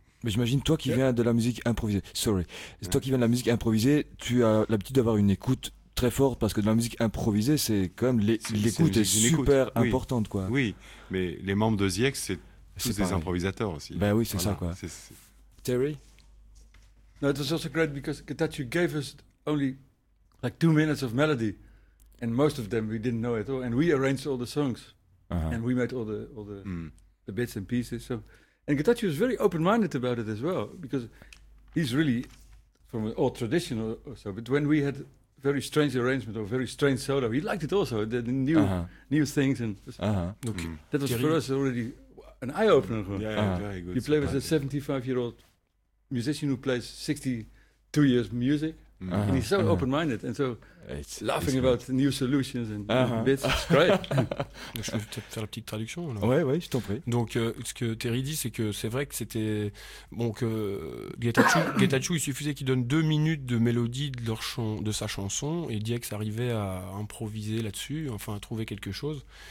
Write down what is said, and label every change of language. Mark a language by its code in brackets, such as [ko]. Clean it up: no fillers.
[fr] Mais j'imagine toi qui viens de la musique improvisée, toi qui viens de la musique improvisée, tu as l'habitude d'avoir une écoute très forte parce que de la musique improvisée, c'est quand même l'écoute est super importante, quoi. Oui, mais les membres de ZX, c'est des improvisateurs aussi. Ben oui, c'est ça, quoi. Terry, [en] no, it was also great because that you gave us only like 2 minutes of melody. And most of them we didn't know at all, and we arranged all the songs, and we made all the the bits and pieces. So, and Getachew was very open-minded about it as well, because he's really from an old tradition or so. But when we had very strange arrangement or very strange solo, he liked it also. The new things and that was for us already an eye opener. Yeah, very good. You play with a 75-year-old musician who plays 62 years music. And he's so open-minded and so laughing about the new solutions and bits. It's great. [fr] Donc, je vais peut-être faire la petite traduction. Ouais, je t'en prie. Donc, ce que Terry dit, c'est que c'est vrai que c'était. Bon, que Getachew, il suffisait qu'il donne 2 minutes de mélodie de sa chanson et DX arrivait à improviser là-dessus, enfin, à trouver quelque chose.